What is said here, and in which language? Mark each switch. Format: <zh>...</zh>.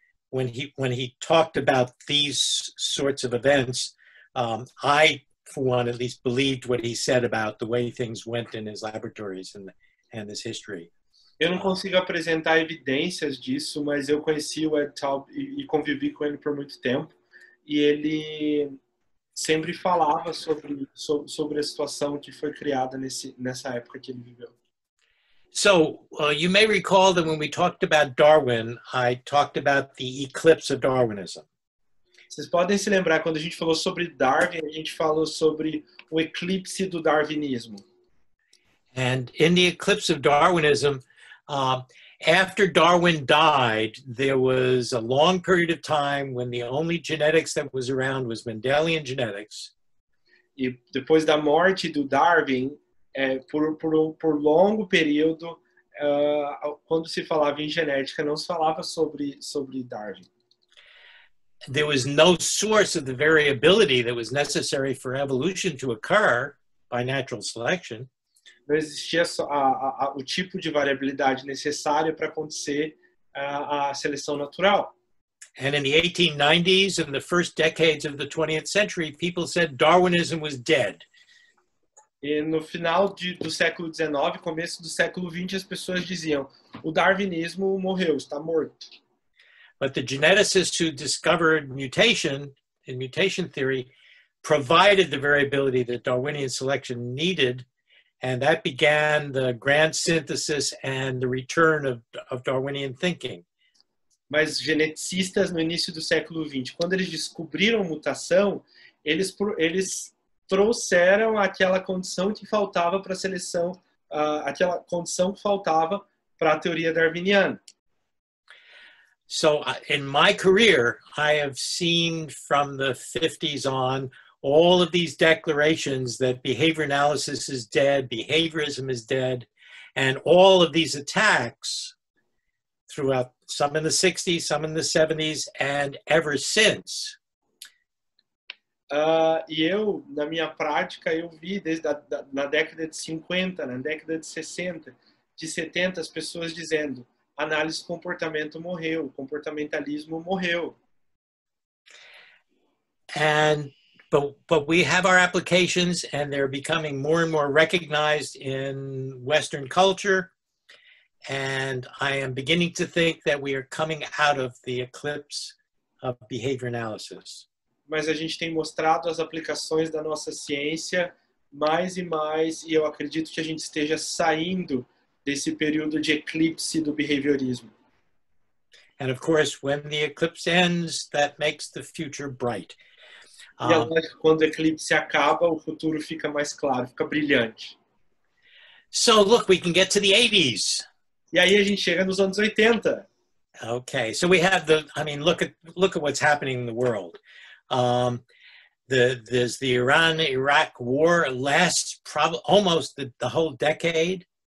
<en>When he talked about these sorts of events, I, for one, at least believed what he said about the way things went in his laboratories and his history.</en> <pt>Eu não consigo apresentar evidências disso, mas eu conheci o Ed Taub e convivi com ele por muito tempo, e ele sempre falava sobre a situação que foi criada nessa época que ele viveu.</pt> <en>So, you may recall that when we talked about Darwin, I talked about the eclipse of Darwinism.</en> <pt>Vocês podem se lembrar, quando a gente falou sobre Darwin, a gente falou sobre o eclipse do darwinismo.</pt> <en>And in the eclipse of Darwinism, after Darwin died, there was a long period of time when the only genetics that was around was Mendelian genetics.</en> <pt>E depois da morte do Darwin, por longo período, quando se falava em genética, não se falava sobre Darwin.</pt> <en>There was no source of the variability that was necessary for evolution to occur by natural selection.</en> <pt>Não existia o tipo de variabilidade necessário para acontecer a seleção natural.</pt> <en>And in the 1890s and the first decades of the 20th century, people said Darwinism was dead.</en> <pt>E no final do século 19, começo do século 20, as pessoas diziam: o darwinismo morreu, está morto.</pt> <en>But the geneticists who discovered mutation in mutation theory provided the variability that Darwinian selection needed, and that began the grand synthesis and the return of Darwinian thinking.</en> <pt>Mas geneticistas no início do século 20, quando eles descobriram mutação, eles trouxeram aquela condição que faltava para a seleção, aquela condição que faltava para a teoria darwiniana.</pt> <en>So, in my career, I have seen from the 50s on all of these declarations that behavior analysis is dead, behaviorism is dead, and all of these attacks throughout, some in the 60s, some in the 70s, and ever since.</en> <pt>E eu, na minha prática, eu vi desde na década de 50, na década de 60, de 70, as pessoas dizendo: análise comportamento morreu, comportamentalismo morreu.</pt> <en>But we have our applications and they're becoming more and more recognized in Western culture. And I am beginning to think that we are coming out of the eclipse of behavior analysis.</en> <pt>Mas a gente tem mostrado as aplicações da nossa ciência mais e mais, e eu acredito que a gente esteja saindo desse período de eclipse do behaviorismo.</pt> <en>And of course, when the eclipse ends, that makes the future bright.</en> <pt>E lógico, quando o eclipse acaba, o futuro fica mais claro, fica brilhante.</pt> <en>So look, we can get to the 80s.</en> <pt>E aí a gente chega nos anos 80.</pt> <en>Okay, so we have look at what's happening in the world. There's the Iran-Iraq war, lasts probably almost the whole decade.</en>